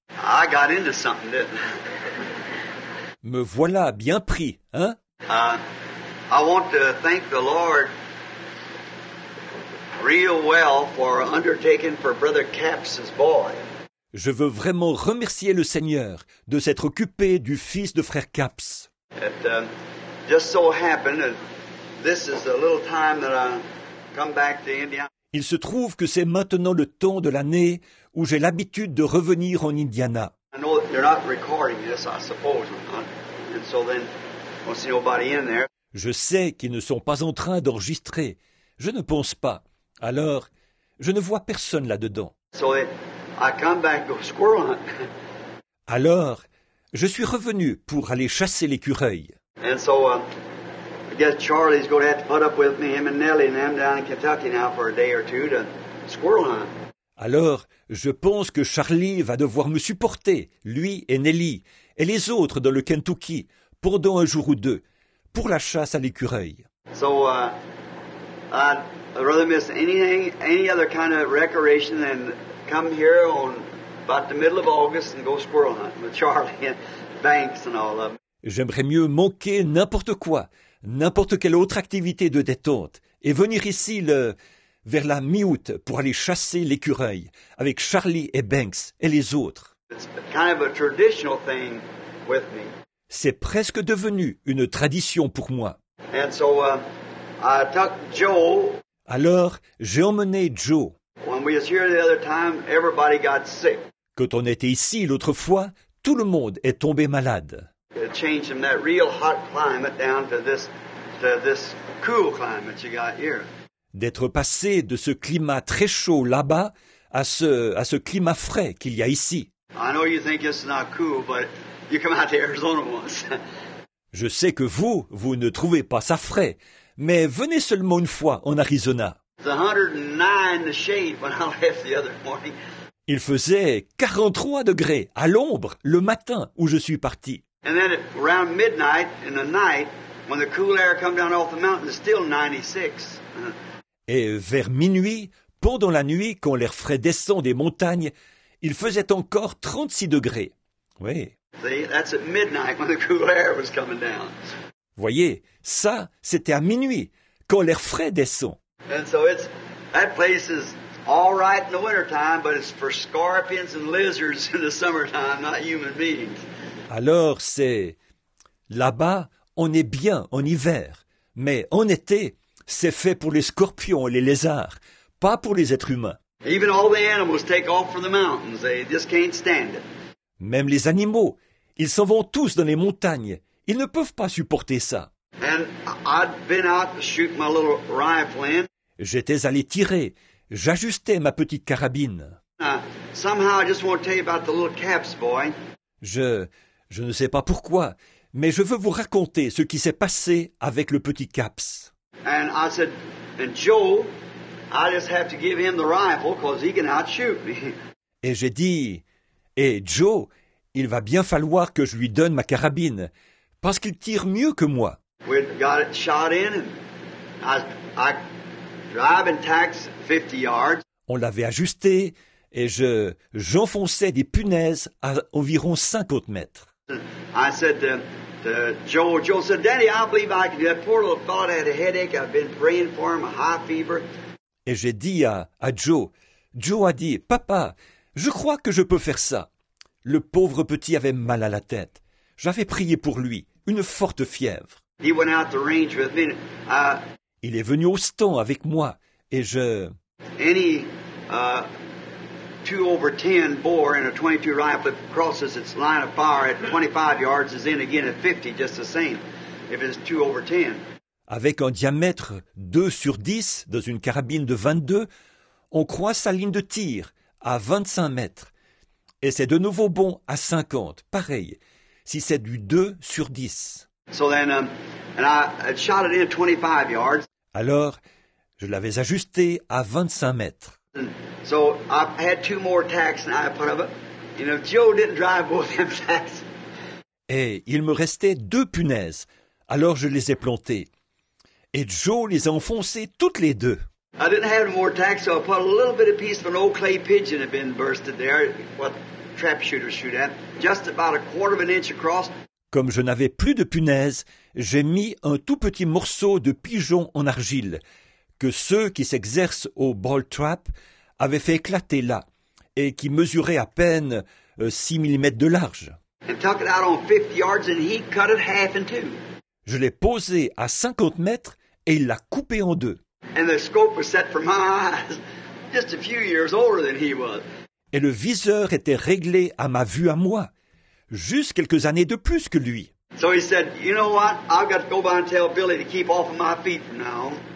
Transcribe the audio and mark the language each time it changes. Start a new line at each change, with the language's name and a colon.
English: I got into something, didn't I?
French: Me voilà bien pris, hein?
English: I want to thank the Lord real well for undertaking for Brother Caps's boy.
French: Je veux vraiment remercier le Seigneur de s'être occupé du fils de Frère Caps.
English: It just so happened that this is the little time that I come back to Indiana.
French: Il se trouve que c'est maintenant le temps de l'année où j'ai l'habitude de revenir en Indiana.
English: I know they're not recording this, I suppose. And so then, won't see nobody in there.
French: Je sais qu'ils ne sont pas en train d'enregistrer. Je ne pense pas. Alors, je ne vois personne là-dedans.
English: So I come back to squirrel hunt.
French: Alors, je suis revenu pour aller chasser l'écureuil.
English: And so, I guess Charlie's going to have to put up with me, him and Nellie, and I'm down in Kentucky now for a day or two to squirrel hunt.
French: Alors, je pense que Charlie va devoir me supporter, lui et Nellie, et les autres dans le Kentucky, pendant un jour ou deux, pour la chasse à l'écureuil.
English: So, I'd rather miss anything, any other kind of recreation than come here on about the middle of August and go squirrel hunting with Charlie and Banks and all of them.
French: J'aimerais mieux manquer n'importe quoi, n'importe quelle autre activité de détente, et venir ici vers la mi-août pour aller chasser l'écureuil avec Charlie et Banks et les autres.
English: It's kind of a traditional thing with me.
French: C'est presque devenu une tradition pour moi.
English: And so, I took Joe.
French: Alors, j'ai emmené Joe.
English: When we was here the other time, everybody got sick.
French: Quand on était ici l'autre fois, tout le monde est tombé malade.
English: It changed from that real hot climate down to this cool climate you got here.
French: D'être passé de ce climat très chaud là-bas à ce climat frais qu'il y a ici.
English: I know you think it's not cool, but you come out to Arizona once.
French: Je sais que vous ne trouvez pas ça frais, mais venez seulement une fois en Arizona.
English: It's 109 the shade when I left the other morning.
French: Il faisait 43 degrés à l'ombre le matin où je suis parti.
English: And then at around midnight in the night, when the cool air comes down off the mountain, it's still 96.
French: Et vers minuit, pendant la nuit, quand l'air frais descend des montagnes, il faisait encore 36 degrés. Oui.
English: See, that's at midnight when the cool air was coming down.
French: Voyez, ça, c'était à minuit, quand l'air frais descend.
English: And so it's, that place is all right in the wintertime, but it's for scorpions and lizards in the summertime, not human beings.
French: Alors, c'est... Là-bas, on est bien en hiver, mais en été... C'est fait pour les scorpions et les lézards, pas pour les êtres humains.
English: Even all the animals take off from the mountains. They just can't stand it.
French: Même les animaux, ils s'en vont tous dans les montagnes. Ils ne peuvent pas supporter ça.
English: And I'd been out to shoot my little rifle in.
French: J'étais allé tirer. J'ajustais ma petite carabine.
English: Somehow I just want to tell you about the little Caps boy.
French: Je ne sais pas pourquoi, mais je veux vous raconter ce qui s'est passé avec le petit Caps.
English: And I said, and Joe, I just have to give him the rifle because he can outshoot me.
French: Et j'ai dit, et Joe, il va bien falloir que je lui donne ma carabine parce qu'il tire mieux que moi.
English: We got it shot in and I drive and tax 50 yards.
French: On l'avait ajusté et j'enfonçais des punaises à environ 50 mètres.
English: I said to him, Joe said, Daddy, I believe I can do that. Poor little fellow had a headache. I've been praying for him, a high fever.
French: Et j'ai dit à Joe, Joe a dit, Papa, je crois que je peux faire ça. Le pauvre petit avait mal à la tête. J'avais prié pour lui, une forte fièvre.
English: He went out the range with me.
French: Il est venu au stand avec moi, et je...
English: Any 2/10 bore in a 22 rifle, if it crosses its line of fire at 25 yards, is in again at 50, just the same, if it's 2/10.
French: Avec un diamètre 2/10 dans une carabine de 22, on croit sa ligne de tir à 25 mètres. Et c'est de nouveau bon à 50. Pareil, si c'est du 2/10.
English: So then, and I shot it in 25 yards.
French: Alors, je l'avais ajusté à 25 mètres.
English: So I had two more tacks and I put up it. You know, Joe didn't drive both them tacks.
French: Et il me restait deux punaises. Alors je les ai plantées. Et Joe les a enfoncées toutes les deux.
English: I didn't have more tacks, so I put a little bit of piece of an old clay pigeon had been bursted there, what trap shooters shoot at, just about 1/4 inch across.
French: Comme je n'avais plus de punaises, j'ai mis un tout petit morceau de pigeon en argile que ceux qui s'exercent au ball trap avaient fait éclater là et qui mesurait à peine 6 mm de large.
English: And tuck it out on 50 yards and he cut it half in two.
French: Je l'ai posé à 50 mètres et il l'a coupé en deux.
English: And the scope was set for my eyes, just a few years older than he was.
French: Et le viseur était réglé à ma vue à moi, juste quelques années de plus que lui.
English: So he said, you know what, I've got to go by and tell Billy to keep off of my feet from now on.